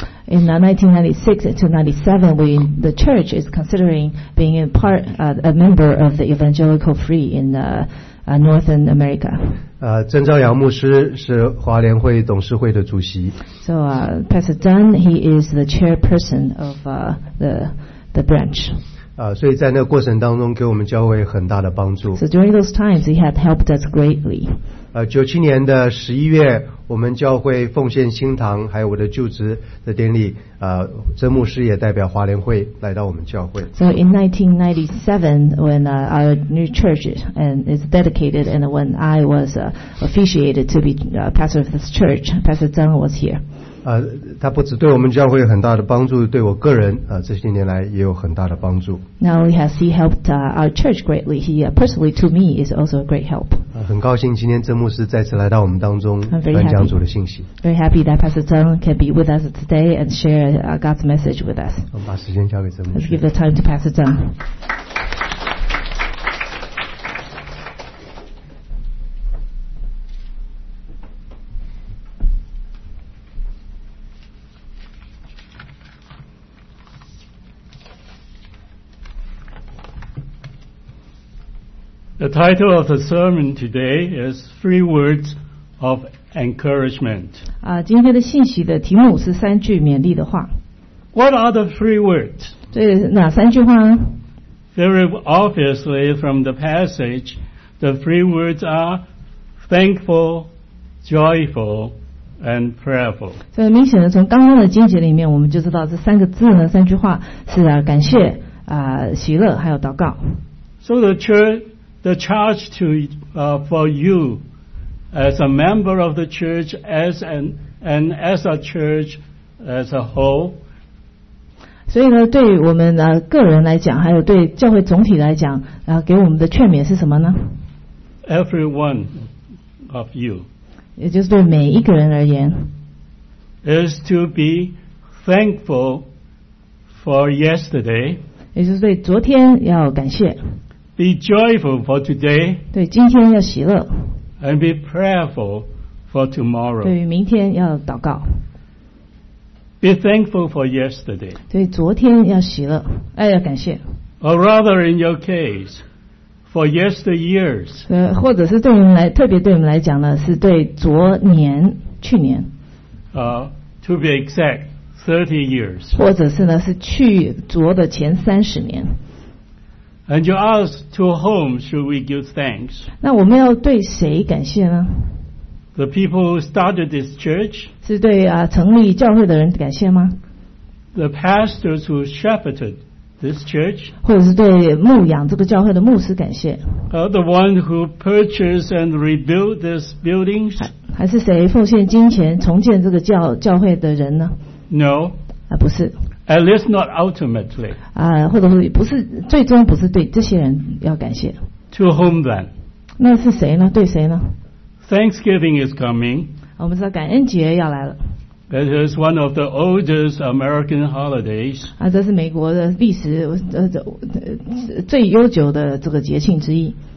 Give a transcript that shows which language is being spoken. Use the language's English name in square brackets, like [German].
[English] In 1996 to 1997, the church is considering being in part a member of the Evangelical Free in Northern America. [Chinese] 曾兆阳牧师是华联会董事会的主席。 [English] So Pastor Dunn, he is the chairperson of the branch. [Chinese] 所以在那个过程当中给我们教会很大的帮助。 [English] So during those times, he had helped us greatly. [Chinese] 97年的11月，我们教会奉献新堂，还有我的就职的典礼，曾牧师也代表华联会来到我们教会。 [English] So in 1997, when our new church is dedicated, and when I was officiated to be pastor of this church, Pastor Zhang was here. [Chinese] 他不只对我们教会很大的帮助，对我个人这些年来也有很大的帮助。 [English] Not only has he helped our church greatly, he personally to me is also a great help. [Chinese] 很高兴今天曾牧师再次来到我们当中分享主的信息。 [English] Very happy that Pastor Zhang can be with us today and share God's message with us. [Chinese] 我们把时间交给曾牧师。 [English] Let's give the time to Pastor Zhang. The title of the sermon today is Three Words of Encouragement. [Chinese] 今天的信息的题目是三句勉励的话。 [English] What are the three words? [Chinese] 这是哪三句话呢? [English] Very obviously from the passage, the three words are thankful, joyful, and prayerful. [Chinese] 这很明显的从刚刚的经节里面我们就知道这三个字呢三句话是感谢喜乐还有祷告。 [English] So the church,The charge to, for you as a member of the church as and as a church as a whole. [Chinese] 所以呢对于我们个人来讲还有对教会总体来讲给我们的劝勉是什么呢? [English] Every one of you. [Chinese] 也就是对每一个人而言。 [English] Is to be thankful for yesterday. [Chinese] 也就是对昨天要感谢。 [English] Be joyful for today. [Chinese] 对，今天要喜乐。 [English] And be prayerful for tomorrow. [Chinese] 对，明天要祷告。 [English] Be thankful for yesterday. [Chinese] 对，昨天要喜乐，要感谢。 [English] Or rather, in your case, for yesteryears. [Chinese] 或者是对我们来，特别对我们来讲呢，是对昨年、去年。 [English] To be exact, 30 years. [Chinese] 或者是呢，是去昨的前30年。 [English] And you ask to whom should we give thanks? [Chinese] 那我们要对谁感谢呢? [English] The people who started this church? [Chinese] 是对成立教会的人感谢吗? [English] The pastors who shepherded this church? [Chinese] 或者是对牧养这个教会的牧师感谢? [English] The one who purchased and rebuilt this building? [Chinese] 还是谁奉献金钱重建这个教会的人呢? [English] No. [Chinese] 不是。 [English] At least not ultimately. [Chinese] 或者是不是最终不是对这些人要感谢。 [English] To whom then? [Chinese] 那是谁呢？对谁呢 [English] ？Thanksgiving is coming. [Chinese] 我们知道感恩节要来了。 [English] It is one of the oldest American holidays. [Chinese] 这是美国的历史最悠久的这个节庆之一。